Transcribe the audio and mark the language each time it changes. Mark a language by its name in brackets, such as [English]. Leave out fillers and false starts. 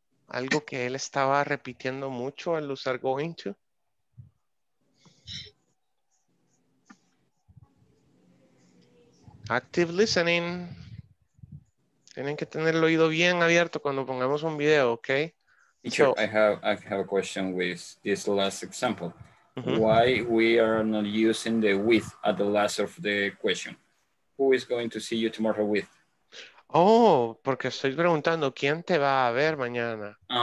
[Spanish] algo que él estaba repitiendo mucho al usar going to. [English] Active listening. [Spanish] Tienen que tener el oído bien abierto cuando pongamos un video, okay? [English] Teacher, so, I have a question with this last example. Mm-hmm. Why we are not using the with at the last of the question? Who is going to see you tomorrow with? [Spanish] Oh, porque estoy preguntando quién te va a ver mañana.